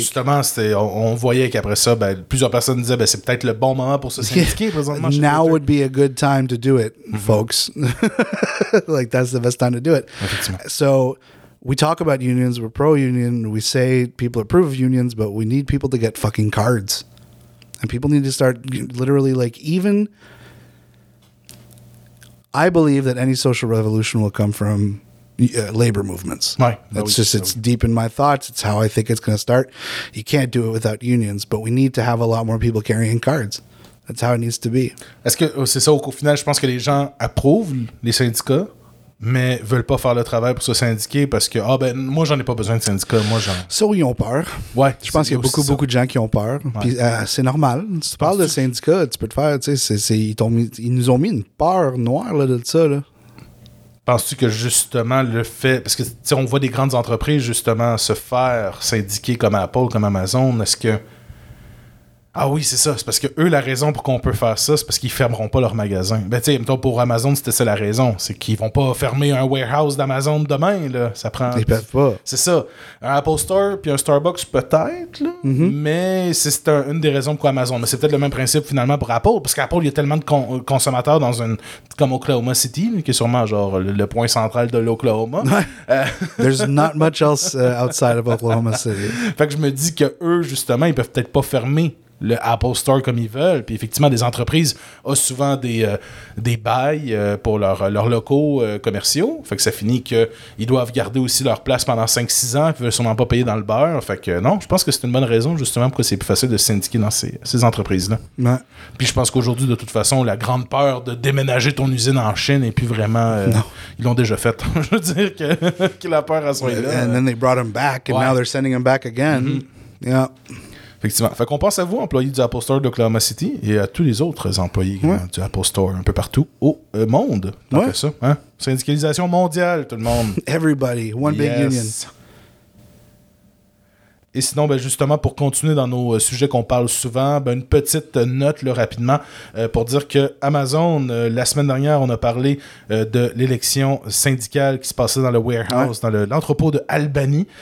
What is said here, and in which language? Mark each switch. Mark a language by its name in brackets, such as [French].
[French] Justement, on voyait qu'après ça, ben, plusieurs personnes disaient ben, c'est peut-être le bon moment pour se syndiquer. [English] Présentement, now would be a good time to do it, mm-hmm. folks. Like, that's the best time to do it. [French] Effectivement. [English] So, we talk about unions, we're pro-union, we say people approve of unions, but we need people to get fucking cards. And people need to start literally, like, even... I believe that any social revolution will come from labor movements. Right. It's deep in my thoughts. It's how I think it's going to start. You can't do it without unions, but we need to have a lot more people carrying cards. That's how it needs to be. [French] Est-ce que c'est ça, au final, je pense que les gens approuvent les syndicats, mais veulent pas faire le travail pour se syndiquer parce que, ah ben, moi, j'en ai pas besoin de syndicat. Moi, j'en... Ça, ils ont peur. Ouais. Je pense qu'il y a beaucoup, beaucoup de gens qui ont peur. Ouais. Puis, c'est normal. Si tu parles de syndicat, tu peux te faire, tu sais, ils nous ont mis une peur noire, là, de ça, là. Penses-tu que, justement, le fait... Parce que, tu sais, on voit des grandes entreprises, justement, se faire syndiquer comme Apple, comme Amazon. Est-ce que... Ah oui, c'est ça. C'est parce que eux, la raison pour qu'on peut faire ça, c'est parce qu'ils fermeront pas leur magasin. Ben, tu sais, pour Amazon, c'était ça la raison. C'est qu'ils vont pas fermer un warehouse d'Amazon demain, là. Ça prend. Ils peuvent pas. C'est ça. Un Apple Store puis un Starbucks, peut-être, là. Mm-hmm. Mais c'est une des raisons pour Amazon. Mais c'est peut-être le même principe, finalement, pour Apple. Parce qu'Apple, il y a tellement de consommateurs dans une. Comme Oklahoma City, qui est sûrement, genre, le point central de l'Oklahoma. [English] There's not much else outside of Oklahoma City. [French] Fait que je me dis que eux, justement, ils peuvent peut-être pas fermer. le Apple Store comme ils veulent. Puis effectivement, des entreprises ont souvent des bails pour leurs locaux commerciaux. Fait que ça finit qu'ils doivent garder aussi leur place pendant 5-6 ans. Ils veulent sûrement pas payer dans le beurre. Fait que non, je pense que c'est une bonne raison justement pourquoi c'est plus facile de syndiquer dans ces entreprises-là. Ouais. Puis je pense qu'aujourd'hui, de toute façon, la grande peur de déménager ton usine en Chine n'est plus vraiment... Non. Ils l'ont déjà fait. Je veux dire que qu'il a peur à ce moment-là. [English] And then they brought him back and now they're sending him back again. Mm-hmm. Yeah. [French] Effectivement. Fait qu'on pense à vous, employés du Apple Store d'Oklahoma City, et à tous les autres employés du Apple Store un peu partout au monde. Ouais. Ça, hein? Syndicalisation mondiale, tout le monde. [English] Everybody, one big union. [French] Et sinon, ben justement, pour continuer dans nos sujets qu'on parle souvent, ben une petite note là, rapidement pour dire que Amazon, la semaine dernière, on a parlé de l'élection syndicale qui se passait dans le warehouse, dans l'entrepôt de Albany.